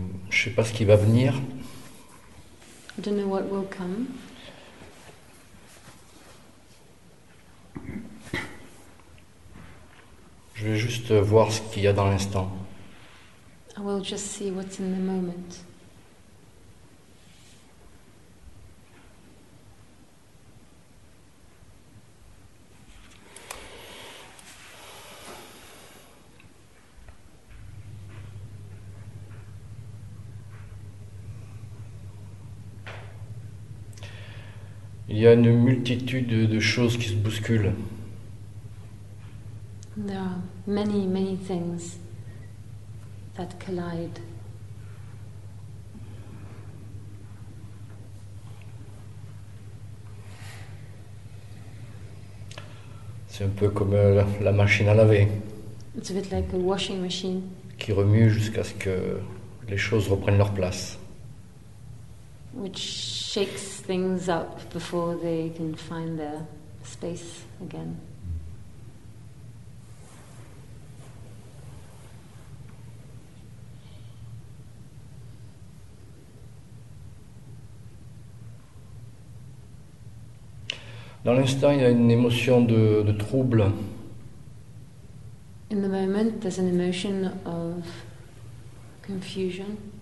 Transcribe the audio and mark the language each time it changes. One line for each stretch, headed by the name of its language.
French: Je sais pas ce qui va venir.
English: I don't know what will come.
French: Je vais juste voir ce qu'il y a dans l'instant.
English: I will just see what's in the moment.
French: Il y a une multitude de choses qui se bousculent.
English: There are many, many things that collide.
French: C'est un peu comme la machine à laver.
English: It's a bit like a washing machine.
French: Qui remue jusqu'à ce que les choses reprennent leur place.
English: Which shakes things up before they can find their space again. Mm.
French: Dans l'instant, il y a une émotion de trouble.
English: In the moment, there's an emotion of confusion.